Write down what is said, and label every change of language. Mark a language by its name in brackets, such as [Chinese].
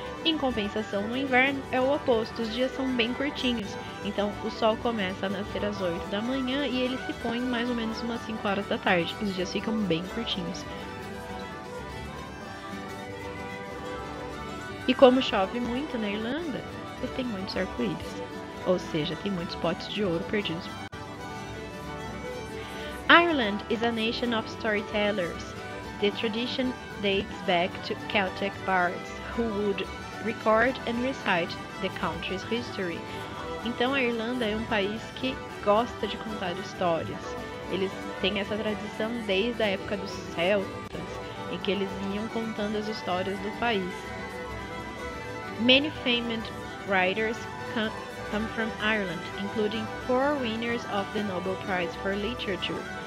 [Portuguese] Em compensação, no inverno é o oposto, os dias são bem curtinhos, então o sol começa a nascer às 8 da manhã e ele se põe mais ou menos umas 5 horas da tarde, os dias ficam bem curtinhos. E como chove muito na Irlanda, eles têm muitos arco-íris. Ou seja, tem muitos potes de ouro perdidos. [English] Ireland is a nation of storytellers. The tradition dates back to Celtic bards who would record and recite the country's history. [Portuguese] Então a Irlanda é um país que gosta de contar histórias. Eles têm essa tradição desde a época dos celtas. e que eles iam contando as histórias do país. [English] Many famous writers come from Ireland, including 4 winners of the Nobel Prize for Literature.